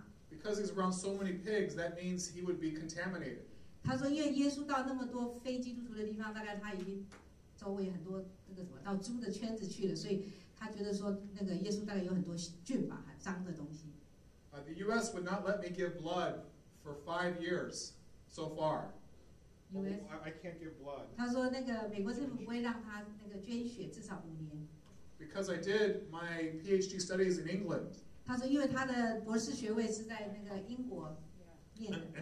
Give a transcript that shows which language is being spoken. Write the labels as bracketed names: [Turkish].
[English] Because he's around so many pigs, that means he would be contaminated. [Chinese] 他说因为耶稣到那么多非基督徒的地方，大概他已经周围很多这个什么到猪的圈子去了，所以他觉得说那个耶稣大概有很多菌吧，脏的东西。 [English] The U.S. would not let me give blood for 5 years so far. I can't give blood. [Chinese] 他说那个美国政府不会让他那个捐血至少5年。 [English] Because I did my PhD studies in England. [Chinese] 他说因为他的博士学位是在那个英国念的。And